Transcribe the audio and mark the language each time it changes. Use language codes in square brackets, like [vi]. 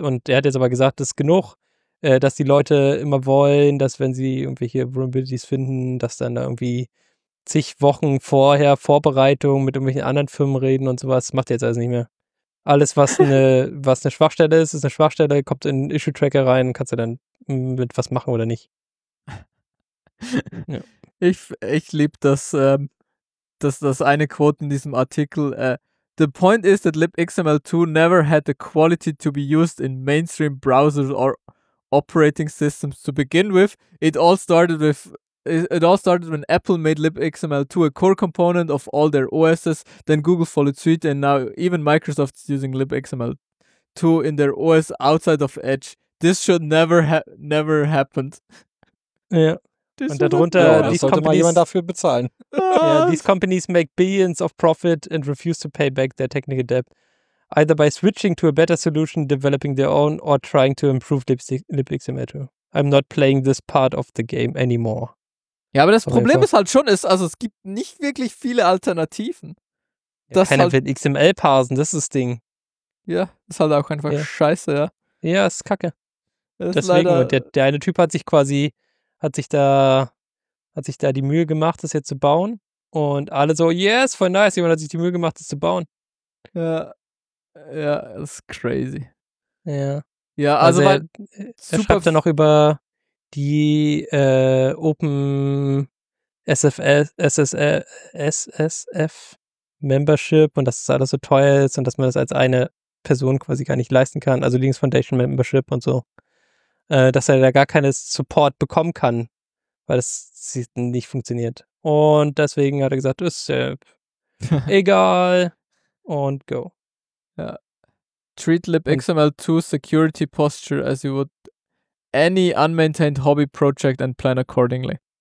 [de] Und der hat jetzt aber gesagt, das ist genug, dass die Leute immer wollen, dass wenn sie irgendwelche Vulnerabilities finden, dass dann da irgendwie zig Wochen vorher Vorbereitung mit irgendwelchen anderen Firmen reden und sowas. Macht der jetzt alles nicht mehr. Alles, was eine Schwachstelle ist, ist eine Schwachstelle, kommt in Issue-Tracker rein, kannst du dann mit was machen oder nicht. Ja. Ich liebe das eine Quote in diesem Artikel. [en] The point is that libxml2 never had the quality to be used in mainstream browsers or operating systems to begin with. It all started when Apple made libxml2 a core component of all their OSs, then Google followed suit, and now even Microsoft's using libxml2 in their OS outside of Edge. This should never happened. [de] Ja. Das und darunter, ja, das sollte mal jemand dafür bezahlen. [en] Yeah, these companies make billions of profit and refuse to pay back their technical debt, either by switching to a better solution, developing their own, or trying to improve LibXMetro. I'm not playing this part of the game anymore. [de] Ja, aber das so Problem ist halt schon, ist, also es gibt nicht wirklich viele Alternativen. Ja, keiner halt, wird XML parsen, das ist das Ding. Ja, ist halt auch einfach scheiße, ja. Ja, ist kacke. Das deswegen, ist leider, und der eine Typ hat sich quasi, hat sich da die Mühe gemacht, das jetzt zu bauen. Und alle so, yes, voll nice, jemand hat sich die Mühe gemacht, das zu bauen. Ja, ja, das ist crazy. Ja. Ja, also er schreibt dann noch über die Open SSF Membership und dass das alles so teuer ist und dass man das als eine Person quasi gar nicht leisten kann, also Linux Foundation Membership und so, dass er da gar keine Support bekommen kann, weil das nicht funktioniert. Und deswegen hat er gesagt, ist egal und go. Ja. [en] Treat libxml2 security posture as you would any unmaintained hobby project and plan accordingly.